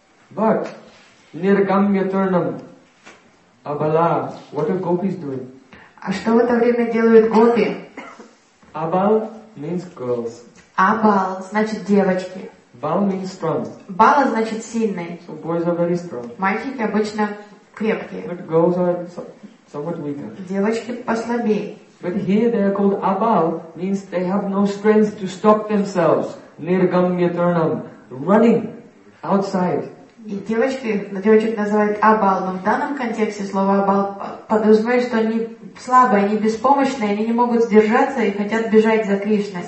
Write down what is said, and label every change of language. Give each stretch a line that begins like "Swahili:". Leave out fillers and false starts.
English: But Nirgamyaturnam Abala, what are gopis doing?
Russian: А что в это время делают гопи?
English: Abal means girls.
Russian: Abal значит девочки.
English: Bal means strong.
Russian: Bala значит сильный.
English: So boys are very strong.
Russian: Мальчики обычно крепкие.
English: But girls are somewhat weaker.
Russian: Девочки послабее.
English: But here they are called Abal means they have no strength to stop themselves. Nirgamyaturnam running outside.
Russian: И девочек называют абал, но в данном контексте слово абал подразумевает, что они слабые, они беспомощные, они не могут сдержаться и хотят бежать за Кришной.